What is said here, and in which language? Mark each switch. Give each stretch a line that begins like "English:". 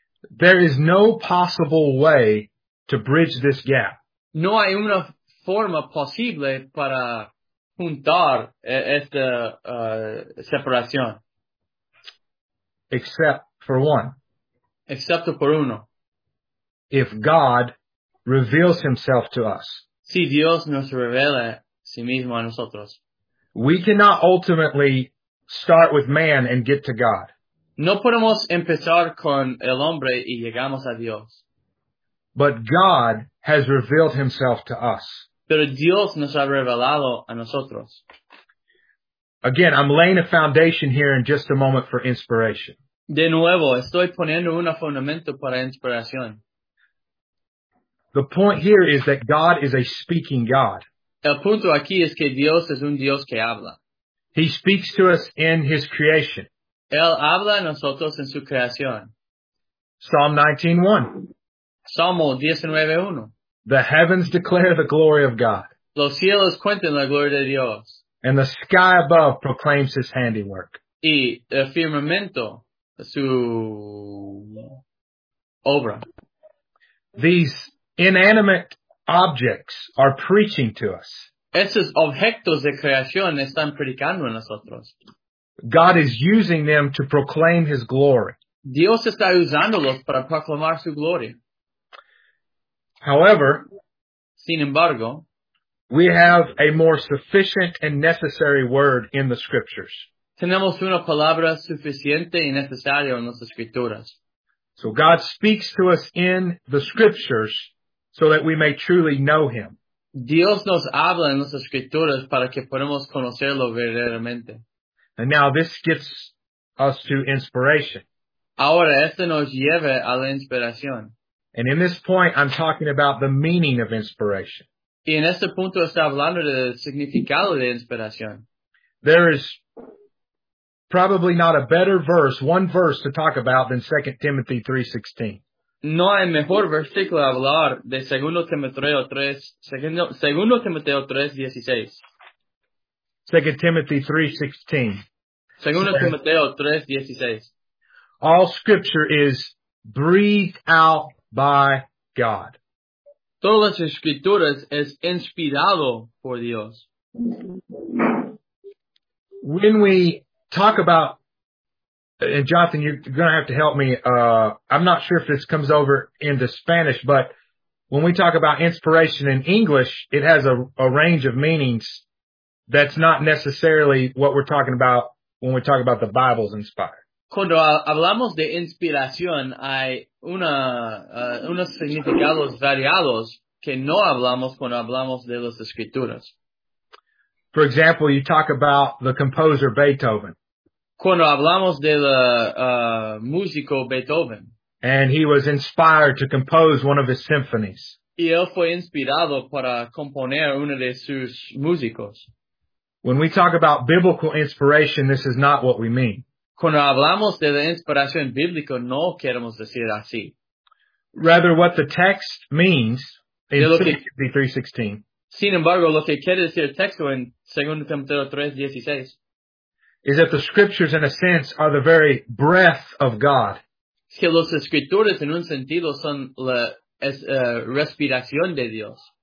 English: There is no possible way to bridge this gap.
Spanish: No hay una forma posible para juntar esta separación.
English: Except for one.
Spanish: Excepto por uno.
English: If God reveals himself to us.
Spanish: Si Dios nos revela sí mismo a nosotros.
English: We cannot ultimately start with man and get to God.
Spanish: No podemos empezar con el hombre y llegamos a Dios.
English: But God has revealed himself to us.
Spanish: Pero Dios nos ha revelado a nosotros.
English: Again, I'm laying a foundation here in just a moment for inspiration.
Spanish: De nuevo, estoy poniendo un fundamento para inspiración.
English: The point here is that God is a speaking God.
Spanish: El punto aquí es que Dios es un Dios que habla.
English: He speaks to us in his creation.
Spanish: Él habla a nosotros en su creación.
English: Psalm 19:1.
Spanish: Salmo 19:1.
English: The heavens declare the glory of God.
Spanish: Los cielos cuentan la gloria de Dios.
English: And the sky above proclaims his handiwork.
Spanish: Y el firmamento su obra.
English: These inanimate objects are preaching to us.
Spanish: Esos objetos de creación están predicando a nosotros.
English: God is using them to proclaim his glory.
Spanish: Dios está usándolos para proclamar su gloria.
English: However,
Spanish: sin embargo,
English: we have a more sufficient and necessary word in the scriptures.
Spanish: Tenemos una palabra suficiente y necesaria en las escrituras.
English: So God speaks to us in the scriptures so that we may truly know him.
Spanish: Dios nos habla en las escrituras para que podamos conocerlo verdaderamente.
English: And now this gets us to inspiration.
Spanish: Ahora, esto nos lleva a la inspiración.
English: And in this point, I'm talking about the meaning of inspiration.
Spanish: Y en este punto está hablando del significado de inspiración.
English: There is probably not a better verse, one verse to talk about than 2 Timothy 3:16.
Spanish: No hay mejor versículo a hablar de 2 Timoteo 3:16.
English: 2 Timothy 3:16.
Spanish: 2 Timoteo 3:16.
English: All scripture is breathed out by God.
Spanish: Todas las escrituras es inspirado por Dios.
English: When we talk about, and Jonathan, you're going to have to help me. I'm not sure if this comes over into Spanish, but when we talk about inspiration in English, it has a range of meanings. That's not necessarily what we're talking about when we talk about the Bible's inspired.
Spanish: Cuando hablamos de inspiración, hay unos significados variados que no hablamos cuando hablamos de las escrituras.
English: For example, you talk about the composer Beethoven.
Spanish: Cuando hablamos de la músico Beethoven.
English: And he was inspired to compose one of his symphonies.
Spanish: Y él fue inspirado para componer uno de sus músicos.
English: When we talk about biblical inspiration, this is not what we mean.
Spanish: Cuando hablamos de la inspiración bíblica, no queremos decir así.
English: Rather, what the text means in 2 Timothy 3:16.
Spanish: Sin embargo, lo que quiere decir el texto en 2 Timoteo 3:16
English: is that the scriptures, in a sense, are the very breath of God.
Spanish: Es que los escrituras, en un sentido, son la respiración de Dios.